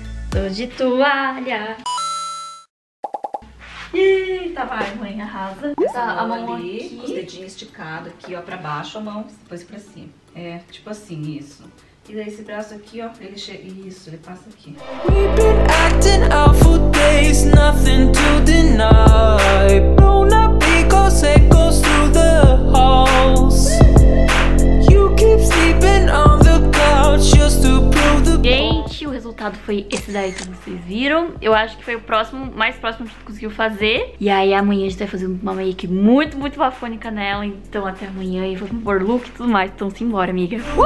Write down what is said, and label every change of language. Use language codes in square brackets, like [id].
[pt] Tô de toalha. Eita, vai, mãe, arrasa. Essa mão ali, aqui, com os dedinhos esticados aqui, ó, pra baixo a mão, depois pra cima. É, tipo assim, isso. E daí esse braço aqui, ó, ele chega. Isso, ele passa aqui. [en] We've been acting out for days, nothing to deny. Blown up echoes, echoes through the halls. You keep sleeping on the couch just to prove the point. [pt] O resultado foi esse daí que vocês viram. Eu acho que foi o próximo, mais próximo que a gente conseguiu fazer. E aí amanhã a gente vai fazer uma make muito, muito bafônica nela. Então até amanhã e vamos pôr look e tudo mais. Então simbora, amiga.